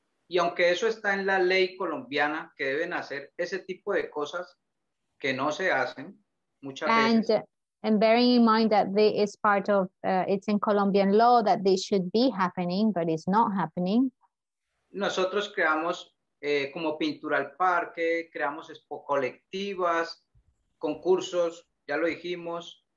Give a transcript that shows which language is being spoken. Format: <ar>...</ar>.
<es>Y aunque eso está en la ley colombiana, que deben hacer ese tipo de cosas que no se hacen muchas veces.</es> <en>And bearing in mind that this is part of, it's in Colombian law that this should be happening, but it's not happening.</en> <es>Nosotros creamos como pintura al parque, creamos expo colectivas, concursos, ya lo dijimos.</es>